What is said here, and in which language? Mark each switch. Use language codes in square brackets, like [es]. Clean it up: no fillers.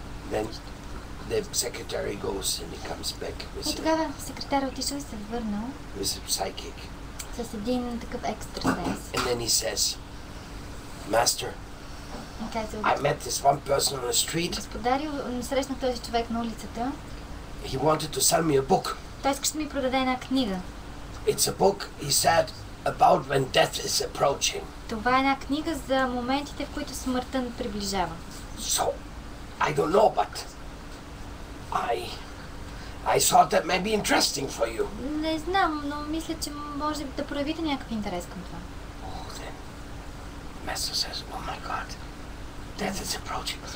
[en] Then the secretary goes and he comes back with. [bg] И тогава секретарят отишъл и се върнал. [en] With a psychic. [bg] С един такъв екстрасенс. [en] And then he says, Master, okay, so I met this one person on the street. [bg] Господари, срещнах този човек на улицата. [en] He wanted to sell me a book. [bg] Той искаше да ми продаде една книга. [en] It's a book, he said, about when death is approaching. [bg] Това е една книга за моментите, в които смъртта приближава. [en] So, I don't know, but I thought that may be interesting for you. [bg] Не знам, но мисля, че може да проявите някакъв интерес към това. [en] Oh, then Master says, oh my God, death is approaching.